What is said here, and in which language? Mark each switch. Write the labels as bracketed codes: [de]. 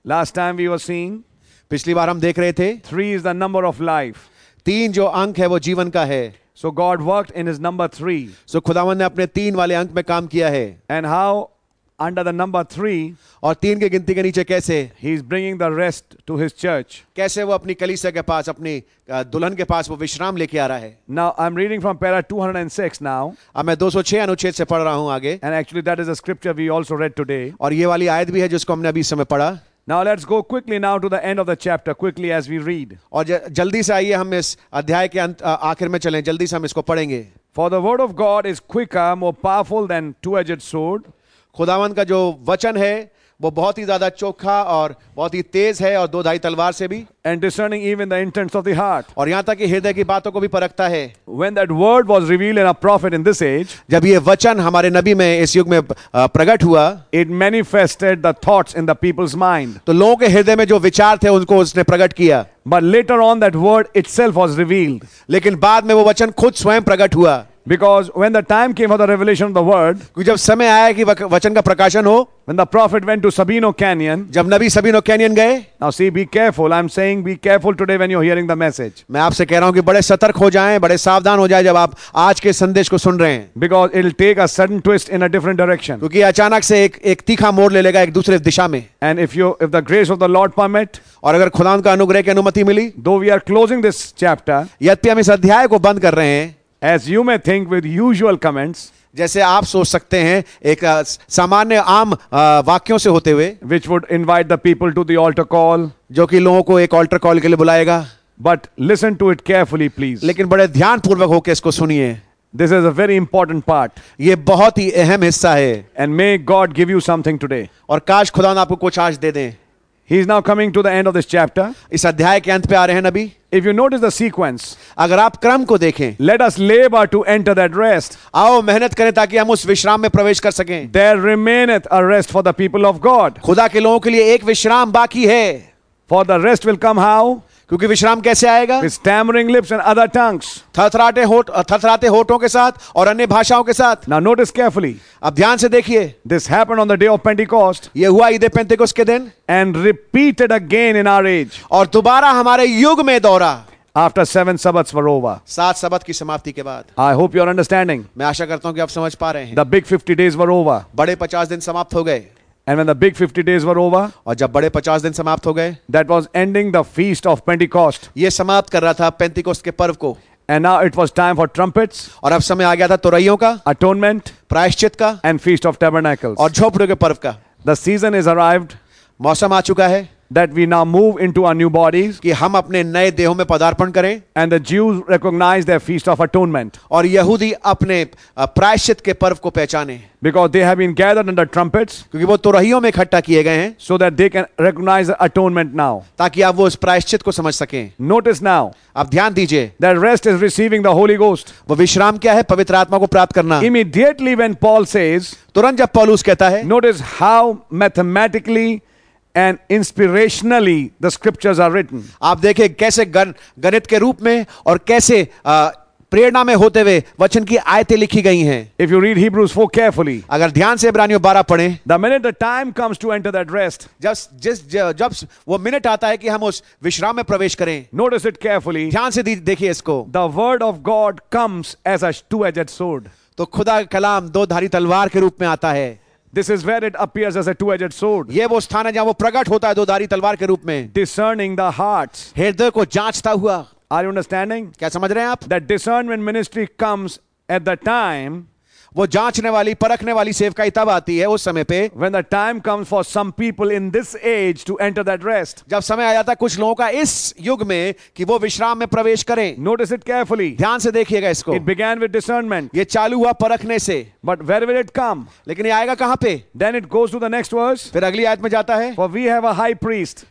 [en] Last time we were seeing, [hi] पिछली बार हम देख रहे थे, [en] 3 is the number of life. [hi] 3 जो अंक है वो जीवन का है. [en] So God worked in his number 3. [hi] So खुदावंद ने अपने 3 वाले अंक में काम किया है. [en] And how under the number 3, [hi] और 3 के गिनती के नीचे कैसे, [en] he is bringing the rest to his church. [hi] कैसे वो अपनी कलीसिया के पास, अपनी दुल्हन के पास वो विश्राम लेके आ रहा है. [en] Now I'm reading from para 206 now. [hi] अब मैं 206 अनुच्छेद से पढ़ रहा हूं आगे. [en] And actually that is a scripture we also read today. [hi] और ये वाली आयत भी है जिसको हमने अभी समय पढ़ा. [en] Now let's go quickly now to the end of the chapter quickly as we read. [hi] और जल्दी से आइए हम इस अध्याय के अंत आखिर में चलें, जल्दी से हम इसको पढ़ेंगे. [en] For the word of God is quicker, more powerful than two-edged sword. [hi] खुदावंद का जो वचन है वो बहुत ही ज्यादा चोखा और बहुत ही तेज है और दो धाई तलवार से भी. [en] And discerning even the intents of the heart. [hi] और यहां तक कि हृदय की बातों को भी परखता है. [en] When that word was revealed in a prophet in this age, [hi] जब ये वचन हमारे नबी में इस युग में प्रकट हुआ, [en] it manifested the thoughts in the people's mind. [hi] तो लोगों के हृदय में जो विचार थे उनको उसने प्रकट किया. [en] But later on that word itself was revealed. [hi] लेकिन बाद में वो वचन खुद स्वयं प्रकट हुआ. [en] Because when the time came for the revelation of the word, [hi] जब समय आया कि वचन का प्रकाशन हो, [en] when the prophet went to Sabino Canyon, [hi] जब नबी सबीनो कैनियन गए, [en] now see, be careful. I'm saying be careful today when you're hearing the message. [hi] मैं आपसे कह रहा हूँ कि बड़े सतर्क हो जाएं, बड़े सावधान हो जाएं जब आप आज के संदेश को सुन रहे हैं. [en] Because it'll take a sudden twist in a different direction. [hi] क्योंकि अचानक से एक तीखा मोड़ ले लेगा एक दूसरे दिशा में. [en] And if the grace of the Lord permit, [hi] और अगर खुदा का अनुग्रह की अनुमति मिली, [en] though we are closing this chapter, [hi] यद्यपि हम इस अध्याय को बंद कर रहे हैं. [en] As you may think with usual comments, [hi] जैसे आप सोच सकते हैं एक सामान्य आम वाक्यों से होते हुए, [en] which would invite the people to the altar call, [hi] जो कि लोगों को एक altar call के लिए बुलाएगा, [en] but listen to it carefully, please. [hi] लेकिन बड़े ध्यान पूर्वक होकर इसको सुनिए. [en] This is a very important part. [hi] ये बहुत ही अहम हिस्सा है. [en] And may God give you something today. [hi] और काश खुदा ने आपको कुछ आज दे दें. [en] He is now coming to the end of this chapter. [hi] इस अध्याय के अंत पे आ रहे हैं अभी. [en] If you notice the sequence, [hi] अगर आप क्रम को देखें, [en] let us labor to enter that rest. [hi] आओ मेहनत करें ताकि हम उस विश्राम में प्रवेश कर सकें. [en] There remaineth a rest for the people of God. [hi] खुदा के लोगों के लिए एक विश्राम बाकी है. [en] For the rest will come how? [hi] क्योंकि विश्राम कैसे आएगा? [en] With stammering lips and other tongues. [hi] थरथराते होठों के साथ और अन्य भाषाओं के साथ. [en] Now notice carefully. [hi] अब ध्यान से देखिए. [en] This happened on the day of Pentecost. [hi] ये हुआ ईद पेंटेकोस्ट के दिन. [en] And repeated again in our age. [hi] और दोबारा हमारे युग में दौरा. [en] After seven Sabbaths were over. [hi] सात सबत की समाप्ति के बाद. [en] I hope you are understanding. [hi] मैं आशा करता हूँ कि आप समझ पा रहे हैं. [en] The big 50 days were over. [hi] बड़े 50 दिन समाप्त हो गए. [en] And when the big 50 days were over, [hi] और जब बड़े 50 दिन समाप्त हो गए, [en] that was ending the feast of Pentecost. [hi] ये समाप्त कर रहा था पेंटिकोस्ट के पर्व को. [en] And now it was time for trumpets. [hi] और अब समय आ गया था तुरहियों का, [en] atonement, [hi] प्रायश्चित का, [en] and feast of tabernacles. [hi] और झोपड़ों के पर्व का. [en] The season is arrived. [hi] मौसम आ चुका है. [en] That we now move into our new bodies. [hi] कि हम अपने नए देहों में पदार्पण करें. [en] And the Jews recognize their feast of atonement. [hi] और यहूदी अपने प्रायश्चित के पर्व को पहचाने. [en] Because they have been gathered under trumpets. [hi] क्योंकि वो तुरहियों में इकट्ठा किए गए हैं. [en] So that they can recognize the atonement now. [hi] ताकि आप वो उस प्रायश्चित को समझ सकें. [en] Notice now. [hi] आप ध्यान दीजिए. [en] That rest is receiving the Holy Ghost. [hi] वो विश्राम क्या है? पवित्र आत्मा को प्राप्त करना. [en] Immediately when Paul says. [hi] तुरंत जब पौलुस कहता है. [en] Notice how mathematically and inspirationally the scriptures are written. [hi] आप देखें कैसे गणित के रूप में और कैसे प्रेरणा में होते हुए वचन की आयतें लिखी गई हैं. [en] If you read Hebrews 4 carefully, [hi] अगर ध्यान से इब्रानियों 12 पढ़ें, [en] the minute the time comes to enter that rest, [hi] जब वो मिनट आता है कि हम उस विश्राम में प्रवेश करें, [en] notice it carefully, [hi] ध्यान से देखिए इसको, [en] the word of God comes as a two-edged sword. [hi] तो खुदा का कलाम दो धारी तलवार के रूप में आता है. [en] This is where it appears as a two-edged sword. [hi] ये वो स्थान है जहाँ वो प्रकट होता है दोधारी तलवार के रूप में. [en] Discerning the hearts. [hi] हृदय को जांचता हुआ. [en] Are you understanding? [hi] क्या समझ रहे हैं आप? [en] That discernment ministry comes at the time. [hi] वो जांचने वाली परखने वाली सेवकाई तब आती है उस समय पे. [en] When the time comes for some people in this age to enter that rest. [hi] जब समय आ जाता है कुछ लोगों का इस युग में कि वो विश्राम में प्रवेश करें. [en] Notice it carefully. [hi] ध्यान से देखिएगा इसको. [en] It began with discernment. [hi] ये चालू हुआ परखने से. [en] But where will it come? [hi] लेकिन ये आएगा कहाँ पे? [en] Then it goes to the next verse. [hi] फिर अगली आयत में जाता है. [en] For we have a high priest.